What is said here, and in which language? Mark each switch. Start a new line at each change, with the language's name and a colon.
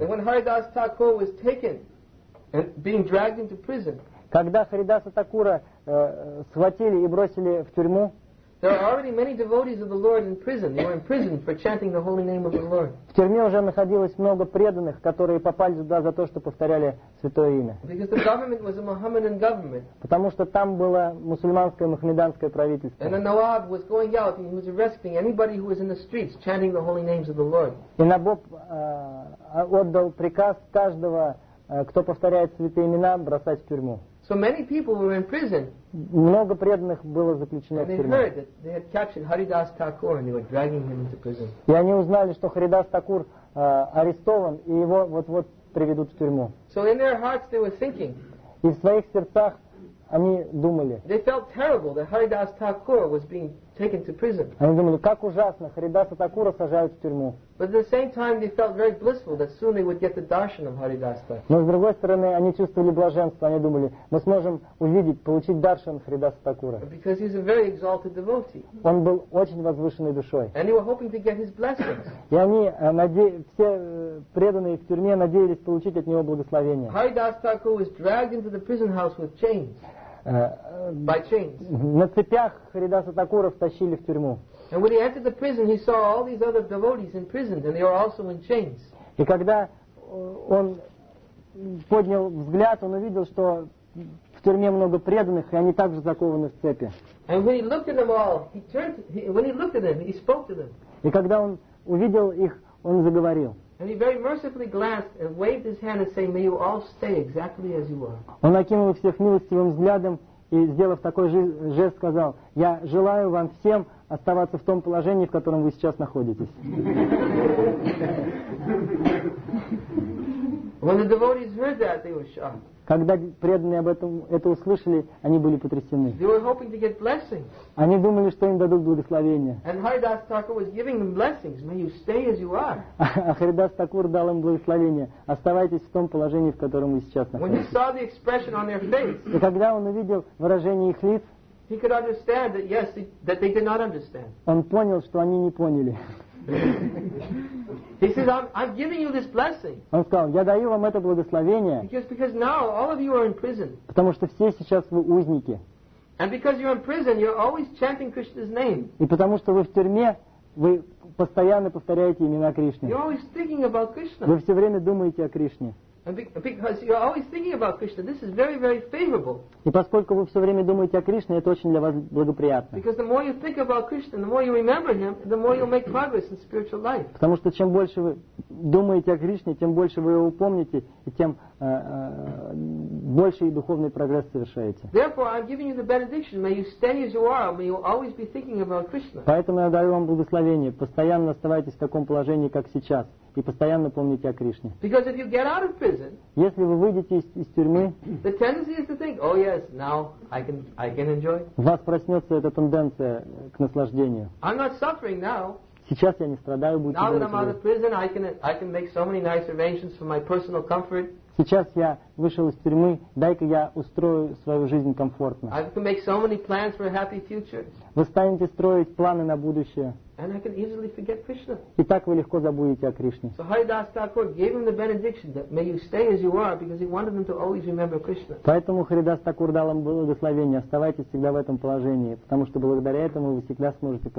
English: And when Haridas Thakur was taken and being dragged into prison.
Russian: Когда Харидаса Такура схватили и бросили в тюрьму.
English: There are already many devotees of the Lord in prison. They were in prison for chanting the holy name of the Lord.
Russian: В тюрьме уже находилось много преданных, которые попали сюда за то, что повторяли святое имя.
English: Because the government was a Mohammedan government.
Russian: Потому что там было мусульманское махмеданское правительство.
English: And the Nawab was going out and he was arresting anybody who was in the streets chanting the holy names of the Lord.
Russian: И Набоб отдал приказ каждого, кто повторяет святые имена, бросать в тюрьму.
English: So many people were in prison.
Russian: Много преданных было заключено в тюрьме.
English: They heard that they had captured Haridas Thakur and they were dragging him into prison.
Russian: И они узнали, что Харидас Такур арестован и его вот-вот приведут в тюрьму.
English: So in their hearts they were thinking.
Russian: И в своих сердцах они думали.
English: They felt terrible that Haridas Thakur was being taken to prison.
Russian: Они думали, как ужасно, Харидаса Такура сажают в тюрьму.
English: But at the same time they felt very blissful that soon they would get the darshan of Haridas Thakur.
Russian: Но с другой стороны, они чувствовали блаженство, они думали, мы сможем увидеть, получить даршан Харидаса Такура.
English: Because he's a very exalted devotee.
Russian: Он был очень возвышенной душой.
English: And they were hoping to get his blessings.
Russian: И они все преданные в тюрьме надеялись получить от него благословение.
English: Haridas Thakur was dragged into the prison house with chains. By chains.
Russian: На цепях Харидаса Такура втащили в тюрьму.
English: And when he entered the prison, he saw all these other devotees imprisoned, and they were also in chains.
Russian: И когда он поднял взгляд, он увидел, что в тюрьме много преданных, и они также закованы в цепи.
English: And when he looked at them all, he spoke to them.
Russian: И когда он увидел их, он заговорил.
English: And he very mercifully glanced and waved his hand and said, "May you all stay exactly as you are."
Russian: Он окинул всех милостивым взглядом и, сделав такой жест, сказал: "Я желаю вам всем оставаться в том положении, в котором вы сейчас находитесь."
English: When the devotees heard that, they were shocked.
Russian: Когда преданные об этом это услышали, они были потрясены.
English: They were hoping to get blessings.
Russian: Они думали, что им дадут благословение.
English: And Haridas Thakur was giving them blessings. May you stay as you are.
Russian: А Харидас Такур дал им благословение. Оставайтесь в том положении, в котором вы сейчас находитесь.
English: When he saw the expression on their face,
Russian: и когда он увидел выражение их лиц,
English: he could understand that yes, that they did not understand.
Russian: Он понял, что они не поняли.
English: He says, I'm giving you this blessing.
Russian: Он сказал, я даю вам это благословение.
English: Because now all of you are in prison.
Russian: Потому что все сейчас вы узники.
English: And because you're in prison, you're always chanting Krishna's name.
Russian: И потому что вы в тюрьме, вы постоянно повторяете имена Кришны.
English: You're always thinking about Krishna.
Russian: Вы все время думаете о Кришне.
English: And because you're always thinking about Krishna, this is very, very favorable.
Russian: И поскольку вы все время думаете о Кришне, это очень для вас благоприятно.
English: Because the more you think about Krishna, the more you remember him, the more you'll make progress in spiritual life.
Russian: Потому что чем больше вы думаете о Кришне, тем больше вы его помните, и тем больше и духовный прогресс совершаете.
English: Therefore, I'm giving you the benediction. May you stay as you are. May you always be thinking about Krishna.
Russian: Поэтому я даю вам благословение. Постоянно оставайтесь в таком положении, как сейчас. И постоянно помните о Кришне.
English: Because if you get out of prison,
Russian: если вы выйдете из тюрьмы,
English: the tendency is to think, oh yes, now I can enjoy.
Russian: В вас проснется эта тенденция к наслаждению.
English: I'm not suffering now.
Russian: Сейчас я не страдаю, будьте довольны.
English: Now that I'm out of prison, I can make so many nice arrangements for my personal comfort.
Russian: Сейчас я вышел из тюрьмы, дай-ка я устрою свою жизнь комфортно.
English: I can make so many plans for a happy future.
Russian: Вы станете строить планы на будущее.
English: And I can easily forget Krishna.
Russian: И так вы легко забудете о Кришне.
English: So Haridas Thakur gave him the benediction that may you stay as you are because he wanted them to always remember Krishna.
Russian: Поэтому Харидас Такур дал им благословение. Оставайтесь всегда в этом положении, потому что благодаря этому вы всегда сможете.